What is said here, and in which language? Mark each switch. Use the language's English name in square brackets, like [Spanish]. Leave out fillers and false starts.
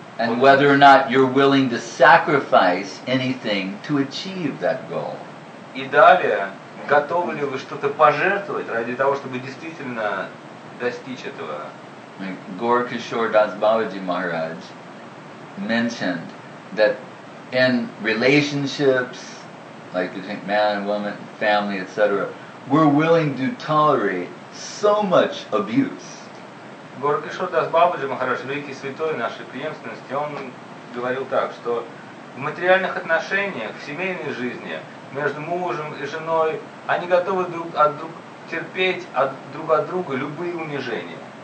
[English] And whether or not you're willing to sacrifice anything to achieve that goal. [Russian] И далее, готовы ли вы что-то пожертвовать ради того, чтобы действительно достичь этого? [English] Gaur Kishore Das Babaji Maharaj mentioned that in relationships, like between man and woman, family, etc., we're willing to tolerate so much abuse. [Russian] Гор Кишор Дас Бабаджи Махарадж, великий святой нашей преемственности, он говорил так, что в материальных отношениях, в семейной жизни, между мужем и женой, они готовы терпеть друг от друга любые унижения.